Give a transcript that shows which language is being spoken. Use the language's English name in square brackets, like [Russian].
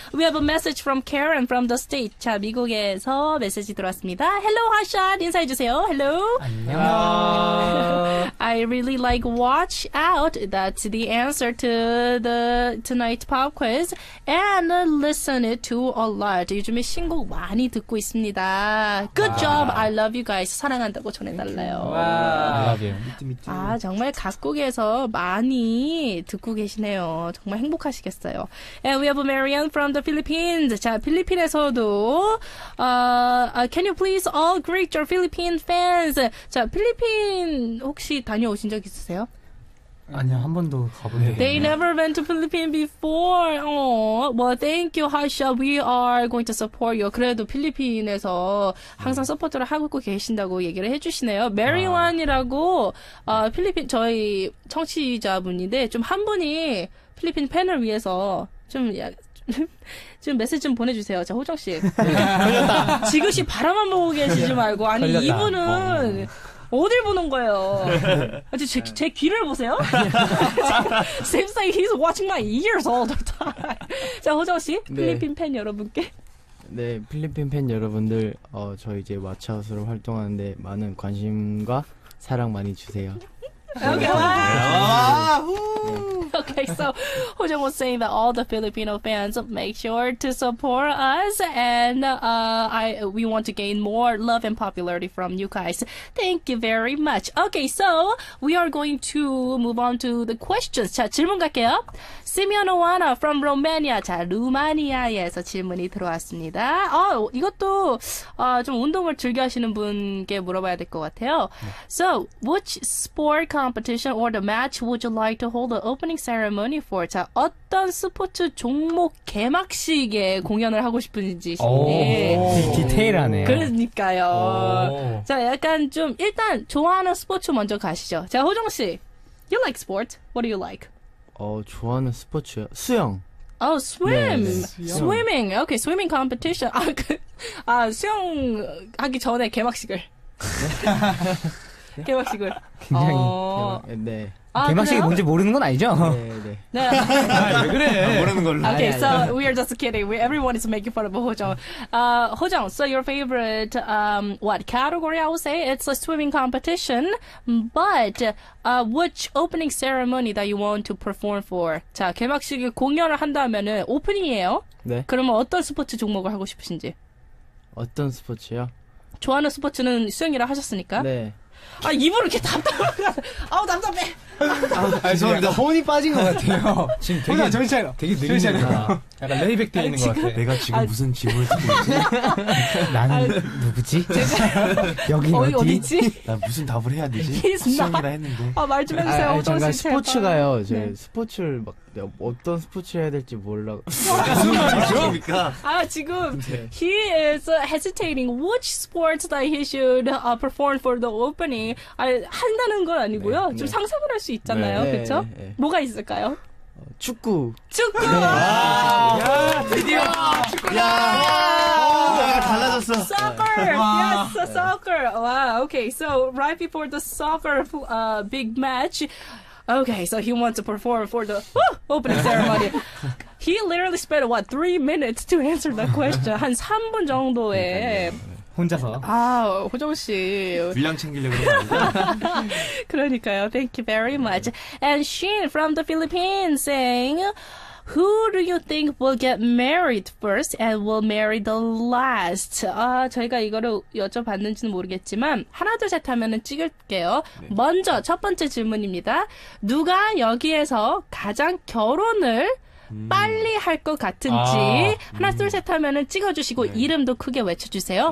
[English] We have a message from Karen from the States. [Korean] 자, 미국에서 메시지 들어왔습니다. [English] Hello, HOTSHOT. [Korean] 인사해주세요. [English] Hello. [Korean] 안녕. [English] Hello. I really like Watch Out. That's the answer to the tonight's pop quiz. And listen it to a lot. [Korean] 요즘에 신곡 많이 듣고 있습니다. [English] Good job. I love you guys. [Korean] 사랑한다고 전해달래요. [English] Wow. I love you. [Korean] 아, 정말 각국에서 많이 듣고 계시네요. 정말 행복하시겠어요. [English] And we have Marianne from the Philippines. [Korean] 자, 필리핀에서도 [English] can you please all greet your Philippine fans? [Korean] 자, 필리핀 혹시 다녀오신 적 있으세요? 아니요, 한 번도 가본 적이 없네요. [English] They never went to Philippines before. Aww. Well, thank you, HOTSHOT. We are going to support you. [Korean] 그래도 필리핀에서 항상 서포트를 하고 계신다고 얘기를 해주시네요. Marianne이라고 필리핀 저희 청취자분인데 좀 한 분이 필리핀 팬을 위해서 좀 지금 메시지 좀 보내주세요. 자, 호정 씨. 걸렸다. 지그시 바라만 보고 계시지 말고. 아니, 걸렸다. 이분은 어딜 보는 거예요? 아주 제 귀를 보세요. [English] Seems like he's watching my ears all the time. [Korean] 자, 호정 씨, 필리핀 네. 팬 여러분께. 네, 필리핀 팬 여러분들, 저 이제 왓츠아웃으로 활동하는데 많은 관심과 사랑 많이 주세요. [English] Okay. Okay, so Hojang was saying that all the Filipino fans make sure to support us, and we want to gain more love and popularity from you guys. Thank you very much. Okay, so we are going to move on to the questions. [Korean] 자, 질문 갈게요. [English] Simeon Oana from Romania. [Korean] 자, 루마니아에서 질문이 들어왔습니다. 이것도 좀 운동을 즐겨 하시는 분께 물어봐야 될 것 같아요. [English] So, which sport competition or the match would you like to hold the opening ceremony for? [Korean] 자, 어떤 스포츠 종목 개막식에 공연을 하고 싶은지. 오, 디테일하네요. 그러니까요. 오. 자, 약간 좀 일단 좋아하는 스포츠 먼저 가시죠. 자, 호정 씨. [English] You like sports? What do you like? [Korean] 좋아하는 스포츠요? 수영. [English] Oh, swim. [Korean] 네, 네. [English] Swimming. Okay, swimming competition. [Korean] 수영 하기 전에 개막식을. 개막식을. 굉장히. 네. 개막식이 뭔지 모르는 건 아니죠? 네, 네. 네. 왜 그래? 모르는 걸로. [English] Okay, so we are just kidding. Everyone is making fun of 호정. 호정, so your favorite what category? I would say it's a swimming competition. But which opening ceremony that you want to perform for? [Korean] 자, 개막식에 공연을 한다면은 오프닝이에요. 네. 그러면 어떤 스포츠 종목을 하고 싶으신지? 어떤 스포츠요? 좋아하는 스포츠는 수영이라 하셨으니까. 네. 아, 입으로 이렇게 답답해. 아우, 답답해. 아, 죄송합니다. 혼이 빠진 것 같아요. 지금 되게 정신차려. 되게 느리잖아. 약간 레이백 되어 있는 것 같아. 내가 지금 무슨 질문을 듣고 있지? 나는 누구지? 여기 어디지? 나 무슨 답을 해야 되지? 수영이라 했는데. 아, 말 좀 해주세요. 잠깐 스포츠가요. 제 스포츠를 막 어떤 스포츠 해야 될지 몰라. 무슨 말입니까? 아, 지금 [English] he is hesitating which sports that he should perform for the opening. [Korean] 아, 한다는 건 아니고요. 좀 상상을 할 수 있잖아요. 그렇죠? 뭐가 있을까요? 축구. 축구. 야, 드디어 축구야. 달라졌어. [English] Soccer. Yes, soccer. Wow. Okay. So right before the soccer big match. Okay, so he wants to perform for the opening ceremony. He literally spent, what, 3 minutes to answer that question. [Korean] 한 3분 정도에. 혼자서. 아, 호정 씨. 분량 챙기려고 그러는데. 그러니까요. [English] Thank you very much. And Shin from the Philippines saying, who do you think will get married first and will marry the last? [Korean] 아, 저희가 이거를 여쭤봤는지는 모르겠지만 하나 둘 셋 하면은 찍을게요. 네. 먼저 첫 번째 질문입니다. 누가 여기에서 가장 결혼을 빨리 할 것 같은지 하나 둘 셋 하면은 찍어주시고 네. 이름도 크게 외쳐주세요.